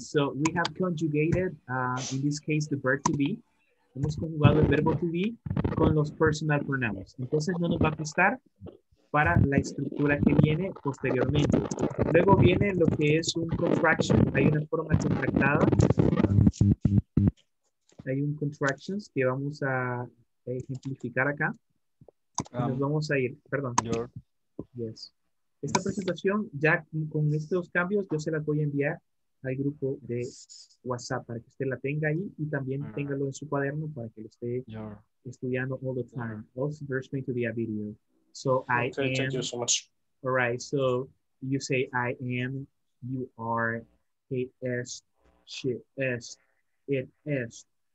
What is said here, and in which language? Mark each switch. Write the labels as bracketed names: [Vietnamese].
[English] So we have conjugated, in this case, the verb to be. [Spanish] Hemos conjugado el verbo to be con los personal pronouns. Entonces no nos va a costar para la estructura que viene posteriormente. Luego viene lo que es un contraction. Hay una forma contractada. Hay un contractions que vamos a ejemplificar acá. Nos vamos a ir. Perdón. Yes. Esta presentación, ya con estos cambios, yo se las voy a enviar al grupo de WhatsApp para que usted la tenga ahí y también téngalo en su cuaderno para que lo esté estudiando [English] all the time. Also, there's going to be a video. So, okay, I am. Thank you so much. All right. So, you say, I am, you are, he is, she is, it is.